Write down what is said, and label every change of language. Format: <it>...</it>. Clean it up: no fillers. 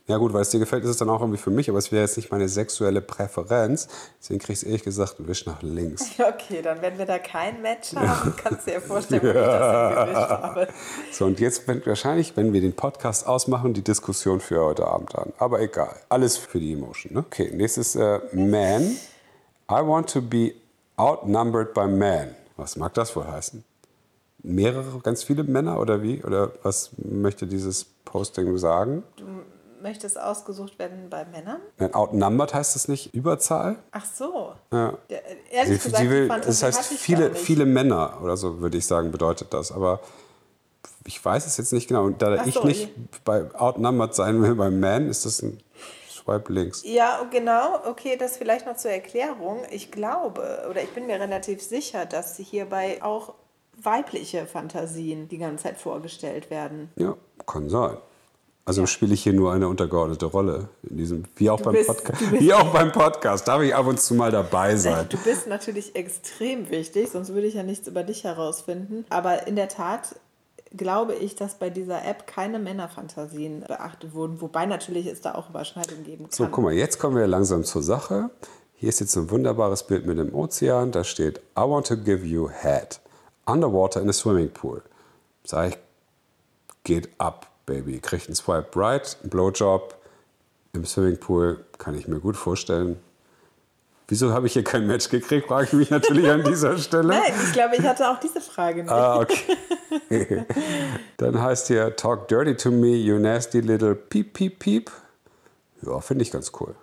<de>Ja gut, weil es dir gefällt, ist es dann auch irgendwie für mich, aber es wäre jetzt nicht meine sexuelle Präferenz. Deswegen kriegst du ehrlich gesagt einen Wisch nach links. Okay, dann werden wir da kein Match haben. Kannst du dir vorstellen, wie ich das hier gewischt habe. So, und jetzt wahrscheinlich, wenn wir den Podcast ausmachen, die Diskussion für heute Abend an. Aber egal, alles für die Emotion. Ne? Okay, nächstes Man.</de> <en>I want to be outnumbered by man.</en> <de>Was mag das wohl heißen? Mehrere, ganz viele Männer oder wie? Oder was möchte dieses Posting sagen? Möchtest ausgesucht werden bei Männern? Nein, outnumbered heißt das nicht, Überzahl? Ach so. Ja. Das heißt, viele Männer oder so, würde ich sagen, bedeutet das. Aber ich weiß es jetzt nicht genau. Und da nicht bei outnumbered sein will bei Man, ist das ein Swipe links. Ja, genau. Okay, das vielleicht noch zur Erklärung. Ich glaube, oder ich bin mir relativ sicher, dass hierbei auch weibliche Fantasien die ganze Zeit vorgestellt werden. Ja, kann sein. Also spiele ich hier nur eine untergeordnete Rolle in diesem, wie auch beim Podcast, darf ich ab und zu mal dabei sein. Du bist natürlich extrem wichtig, sonst würde ich ja nichts über dich herausfinden. Aber in der Tat glaube ich, dass bei dieser App keine Männerfantasien beachtet wurden, wobei natürlich es da auch Überschneidungen geben kann. So, guck mal, jetzt kommen wir langsam zur Sache. Hier ist jetzt ein wunderbares Bild mit dem Ozean.</de> <en>Da steht, I want to give you head underwater in a swimming pool.</en> <de>Sag ich, geht ab. Baby, kriegt einen Swipe right, einen Blowjob im Swimmingpool, kann ich mir gut vorstellen. Wieso habe ich hier kein Match gekriegt, frage ich mich natürlich an dieser Stelle. Nein, ich glaube, ich hatte auch diese Frage nicht. Ah, okay. Dann heißt hier, talk dirty to me, you nasty little peep, peep, peep. Ja, finde ich ganz cool.</de>